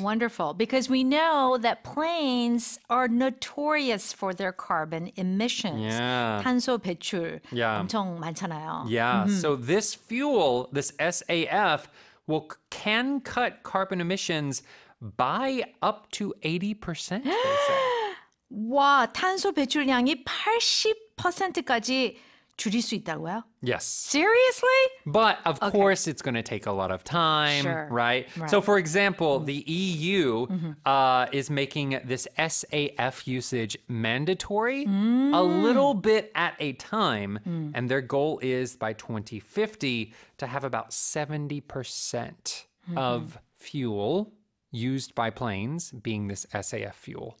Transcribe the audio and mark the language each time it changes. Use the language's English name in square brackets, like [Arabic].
[English] Wonderful, because we know that planes are notorious for their carbon emissions. Yeah. [Korean] 탄소 배출 [English] yeah. [Korean] 엄청 많잖아요. [English] Yeah, mm-hmm. so this fuel, this SAF, will can cut carbon emissions by up to 80%, they say. [Korean] 와, 탄소 배출량이 80%까지 줄일 수 있다고요? [English] Yes. Seriously? But, of okay. course, it's going to take a lot of time, sure. right? right? So, for example, the EU is making this SAF usage mandatory a little bit at a time, and their goal is, by 2050, to have about 70% of fuel used by planes being this SAF fuel.